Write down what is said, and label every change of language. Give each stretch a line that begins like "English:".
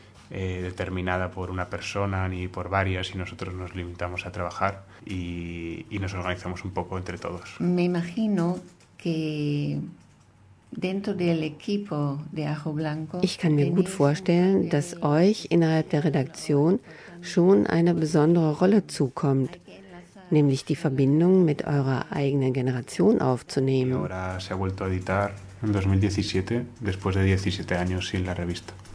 Spanish: Determinada por una persona ni por varias y nosotros nos limitamos a trabajar y nos organizamos un poco entre todos. Me imagino que dentro del equipo de Ajo Blanco.
German: Ich kann mir gut vorstellen, dass euch innerhalb der Redaktion schon eine besondere Rolle zukommt, nämlich die Verbindung mit eurer eigenen Generation aufzunehmen.
Spanish: Ahora se ha vuelto a editar en 2017, después de 17 años sin la revista.